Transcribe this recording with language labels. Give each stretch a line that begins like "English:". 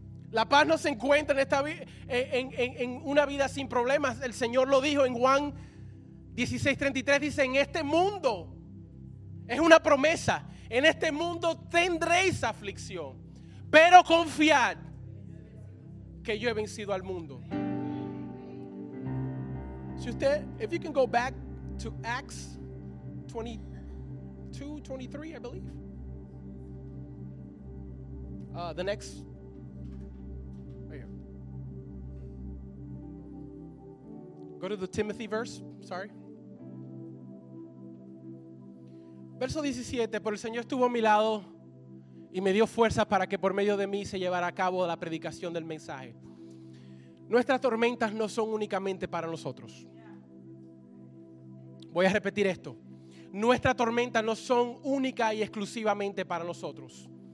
Spanish: La paz no se encuentra en una vida sin problemas. El Señor lo dijo en Juan 16:33. Dice: en este mundo, es una promesa, en este mundo tendréis aflicción, pero confiad que yo he vencido al mundo. Si usted,
English: if you can go back to Acts 22:23, I believe. The next. Go to the Timothy verse, sorry.
Spanish: Verso 17, pero el Señor estuvo a mi lado y me dio fuerza para que por medio de mí se llevara a cabo la predicación del mensaje. Nuestras tormentas no son únicamente para nosotros. Voy a repetir esto. Nuestras tormentas no son única y exclusivamente para nosotros.